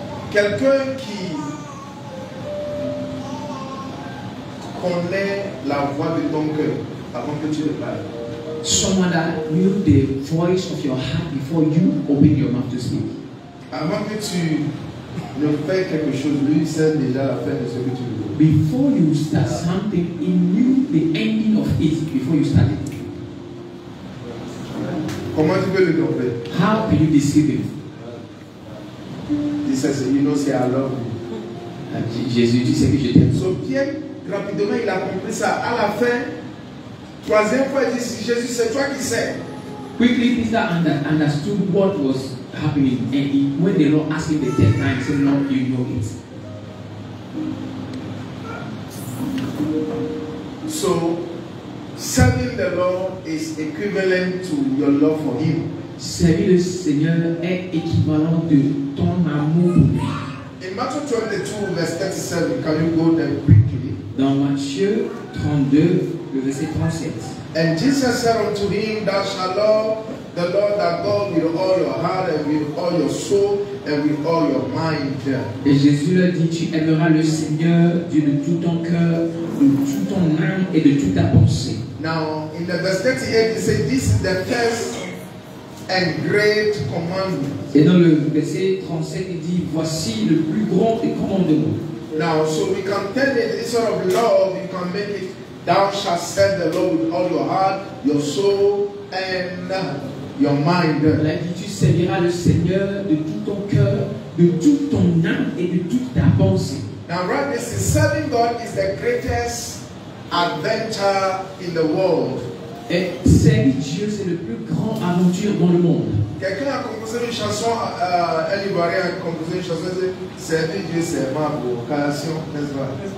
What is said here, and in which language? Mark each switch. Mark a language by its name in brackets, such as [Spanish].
[French] Quelqu'un qui connaît la voix de ton cœur avant que tu le parles. [English] Someone that knew the voice of your heart before you opened your mouth to speak. [French] Avant que tu ne fais quelque chose, lui sait déjà la fin de ce que tu veux. [English] Before you start something, he knew the ending of it before you started. [French] Comment tu peux le tromper? [English] How can you deceive him? [French] Il sait, [English] you know, [French] c'est alors. Jésus, tu sais que je t'aime. So Pierre, rapidement, il a compris ça. À la fin, troisième fois, il dit, Jésus, c'est toi qui sais. [English] Quickly, Peter understood what was happening. And he, when the Lord asked him the third time, he said, no, you know it. So, serving the Lord is equivalent to your love for Him. [French] Servir le Seigneur est équivalent de ton amour. [English] In Matthew 22, verse 37, can you go there quickly? [French] Dans Matthieu 32, verset 37. [English] And Jesus said unto him, Thou shalt love the Lord thy God with all your heart and with all your soul and with all your mind. [French] Et Jésus leur dit, tu aimeras le Seigneur de tout ton cœur, de toute ton âme et de toute ta pensée. [English] Now, in the verse 38, he said, this is the first and great commandment. [French] Et dans le verset 37, il dit, voici le plus grand des commandements. [English] Now, so we can tell it, this sort of love, you can make it, thou shalt serve the Lord with all your heart, your soul, and your mind. [French] Là, il dit, tu serviras le Seigneur de tout ton cœur, de toute ton âme et de toute ta pensée. [English] Now, right, this is serving God is the greatest adventure in the world. [French] Et servir Dieu, c'est le plus grand aventure dans le monde. Quelqu'un a composé une chanson, un Ivoirien a composé une chanson, c'est servir Dieu, c'est ma vocation, n'est-ce pas?